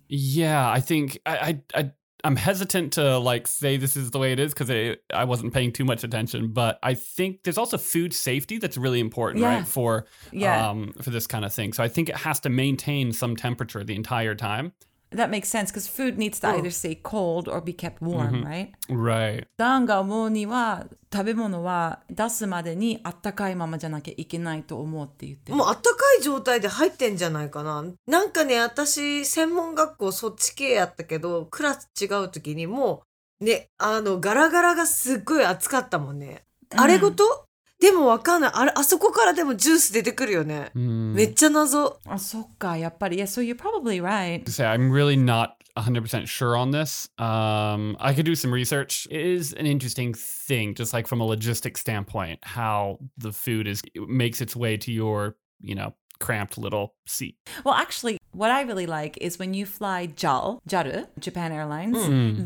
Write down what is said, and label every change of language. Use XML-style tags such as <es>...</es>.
<en>Yeah, I think I'm hesitant to like say this is the way it is because I wasn't paying too much attention, but I think there's also food safety that's really important, yeah. Right? For this kind of thing. So I think it has to maintain some temperature the entire time. That makes sense, because food needs to either stay cold or be kept warm,、mm-hmm. right? Right.</en> <ja>Dan が思うには、食べ物は出すまでに温かいままじゃなきゃいけないと思うって言ってる。もう温かい状態で入ってんじゃないかな。なんかね、私専門学校そっち系やったけど、クラス違う時にもうね、あのガラガラがすっごい熱かったもんね。あれごと、うん、でもわかんない。あれ、あそこからでもジュース出てくるよね。うん、めっちゃ謎。あ、そっか、やっぱり。</ja> <en>Yeah, so you're probably right. To say, I'm really not 100% sure on this. I could do some research. It is an interesting thing, just like from a logistics standpoint, how the food is, makes its way to your, you know, cramped little seat. Well, actually, what I really like is when you fly JAL, Japan Airlines, mm.</en>